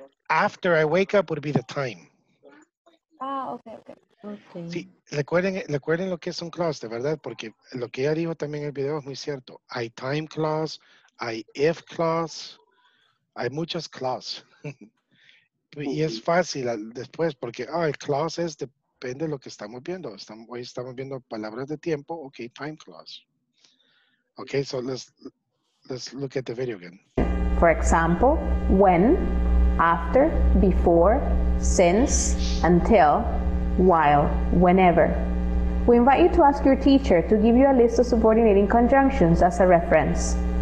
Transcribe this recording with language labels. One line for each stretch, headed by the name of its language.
English: After I wake up would be the time. Okay.
Spanish: Sí, recuerden lo que es un clause, de verdad, porque lo que ella dijo también en el video es muy cierto. Hay time clause, hay if clause, hay muchas clause. Y es fácil después porque, ah, el clause es, depende de lo que estamos viendo. Hoy estamos viendo palabras de tiempo. Ok, time clause.
English: Ok, so let's look at the video again. For example, when, after, before, since, until, while, whenever. We invite you to ask your teacher to give you a list of subordinating conjunctions as a reference.